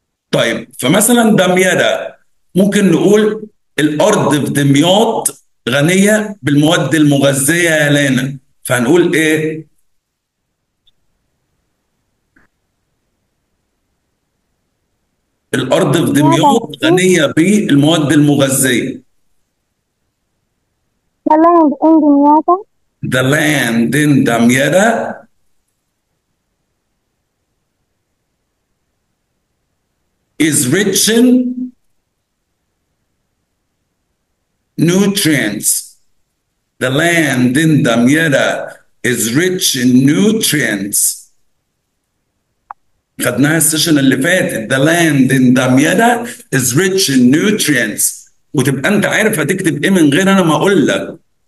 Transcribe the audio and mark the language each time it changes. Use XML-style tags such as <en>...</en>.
<ar>طيب فمثلا دميره ممكن نقول الأرض في دمياط غنية بالمواد المغذية يا لينا فهنقول إيه؟ الأرض في دمياط غنية بالمواد المغذية</ar> <en>The land in Damietta The land in Damietta is rich in nutrients. The land in Damietta is rich in nutrients.</en> <ar>خدناها السيشن اللي فاتت.</ar> <en>The land in Damietta is rich in nutrients.</en> <ar>وتبقى أنت عارف هتكتب إيه من غير أنا ما أقول لك.</ar>